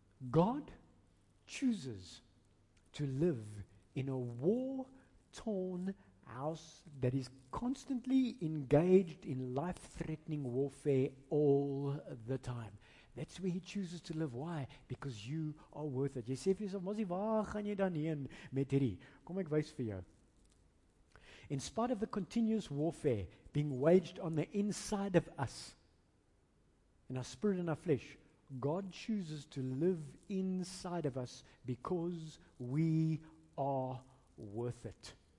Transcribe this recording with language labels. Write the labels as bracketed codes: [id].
[en] God chooses to live in a war-torn house that is constantly engaged in life-threatening warfare all the time. That's where he chooses to live. Why? Because you are worth it. [af] Jy sê vir jouself, Mosie, waar gaan jy dan heen met hierdie? Kom ek wys vir jou. [en] In spite of the continuous warfare being waged on the inside of us, in our spirit and our flesh, God chooses to live inside of us because we are worth it.